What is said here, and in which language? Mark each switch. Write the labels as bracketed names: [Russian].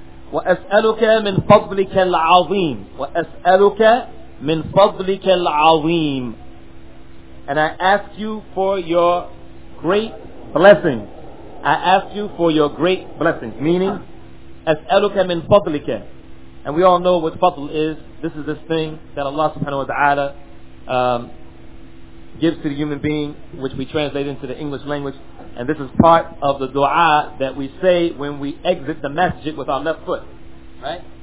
[Arabic] وَأَسْأَلُكَ مِنْ فَضْلِكَ الْعَظِيمِ وَأَسْأَلُكَ مِنْ فَضْلِكَ الْعَظِيمِ. [English] And I ask you for your great blessing. I ask you for your great blessing. Meaning, [Arabic] أَسْأَلُكَ مِنْ فَضْلِكَ. [English] And we all know what fadl is. This is this thing that Allah subhanahu wa ta'ala gives to the human being, which we translate into the English language. And this is part of the dua that we say when we exit the masjid with our left foot. Right?